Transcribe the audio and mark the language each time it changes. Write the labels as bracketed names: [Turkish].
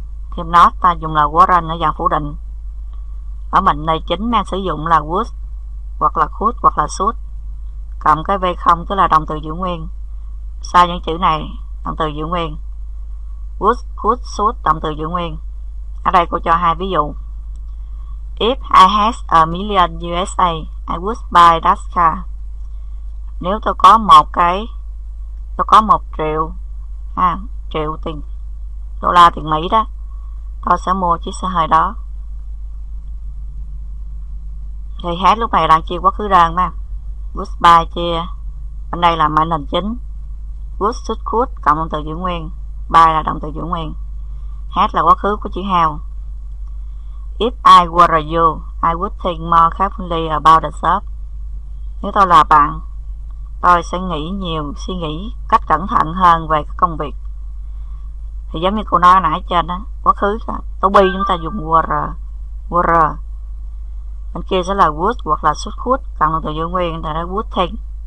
[Vietnamese] Thêm nó, ta dùng là weren't ở dạng phủ định. Ở mệnh đề chính, mấy em sử dụng là would, hoặc là could, hoặc là should. Cộng cái V0, tức là động từ giữ nguyên. Sau những chữ này, động từ giữ nguyên. Would, could, should, động từ giữ nguyên. Ở đây cô cho hai ví dụ. [English] If I had a million USA, I would buy that car. [Vietnamese] Nếu tôi có một cái, tôi có một triệu, triệu tiền đô la tiền Mỹ đó, tôi sẽ mua chiếc xe hơi đó. Thì hát lúc này đang chia quá khứ đơn mà. [English] Would buy [Vietnamese] chia, bên đây là mệnh lệnh chính. Would, should, could cộng động từ giữ nguyên. Buy là động từ giữ nguyên. Hát là quá khứ của chữ have. [English] If I were you, I would think more carefully about the job. [Vietnamese] Nếu tôi là bạn, tôi sẽ nghĩ nhiều, suy nghĩ cách cẩn thận hơn về cái công việc. Thì giống như cô nói nãy trên đó, quá khứ đó, to be chúng ta dùng were. Bên kia sẽ là would hoặc là should could, cộng động từ giữ nguyên thì là [English] would think.